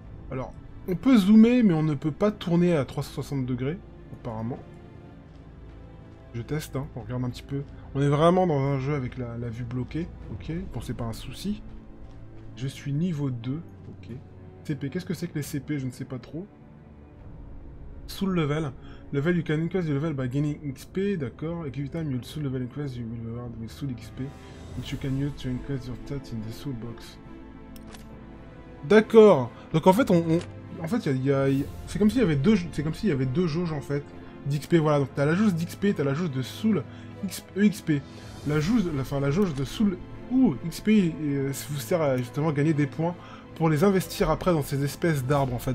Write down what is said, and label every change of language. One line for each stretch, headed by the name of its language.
French: Alors, on peut zoomer, mais on ne peut pas tourner à 360 degrés, apparemment. Je teste, hein, on regarde un petit peu. On est vraiment dans un jeu avec la vue bloquée, ok. Bon, c'est pas un souci. Je suis niveau 2, ok. CP, qu'est-ce que c'est que les CP? Je ne sais pas trop. Soul level.
English: Level you can increase your level by gaining XP, d'accord. Every time you soul level increase, you will reward with soul XP, which you can use to increase your stats in the soul box.
French: D'accord. Donc en fait, en fait, c'est comme s'il y avait deux, c'est comme s'il y avait deux jauges en fait d'XP. Voilà. Donc t'as la jauge d'XP, t'as la jauge de soul XP. La jauge, enfin la jauge de soul ou XP vous sert à justement gagner des points pour les investir après dans ces espèces d'arbres en fait.